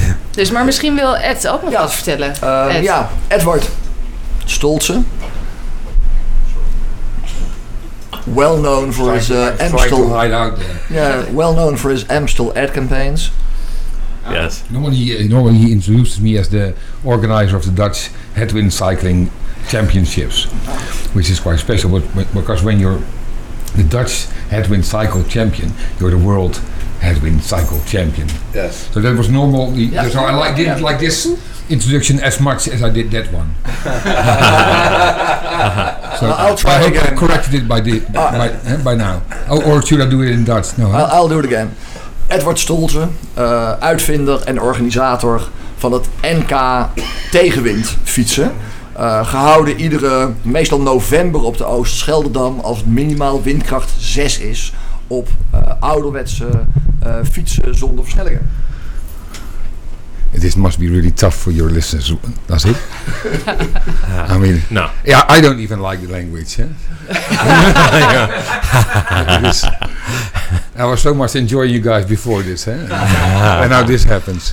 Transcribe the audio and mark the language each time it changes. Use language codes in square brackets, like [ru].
[nl] Dus, maar misschien wil Ed ook nog wat vertellen. [en] Ja, Edward Stolze, well known for his Amstel. Yeah, well known for his Amstel ad campaigns. Yes. Normally, he introduces me as the organizer of the Dutch Headwind Cycling Championships, which is quite special, but because when you're the Dutch Headwind Cycle Champion, you're the world Headwind Cycle Champion. Yes. So that was normal. Yes. So I didn't like this introduction as much as I did that one. So I'll try again. I've corrected it by now. Or should I do it in Dutch? No. I'll do it again. [nl] Edward Stolze, uitvinder en organisator van het NK Tegenwind fietsen. Gehouden iedere, meestal november op de Oosterscheldedam, als het minimaal windkracht 6 is op ouderwetse fietsen zonder versnellingen. [en] It is, must be really tough for your listeners, does it? I mean, no. Yeah, I don't even like the language. Yeah? I was so much enjoying you guys before this, eh? And now this happens.